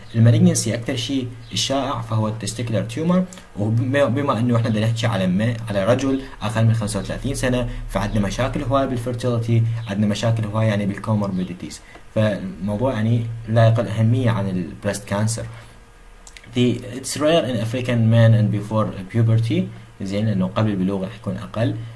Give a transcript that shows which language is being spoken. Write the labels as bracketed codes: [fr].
[ar] فالمالجنسي اكثر شيء الشائع فهو التستيكولار تيومر. وبما انه احنا بنحكي على على رجل اقل من 35 سنه فعندنا مشاكل هواي بالفيرتيلتي عندنا مشاكل هواي يعني بالكوموربيديتيز. فالموضوع يعني لا يقل اهميه عن البريست كانسر. [en] It's rare in African men and before puberty. [ar] زين لانه قبل البلوغ راح يكون اقل.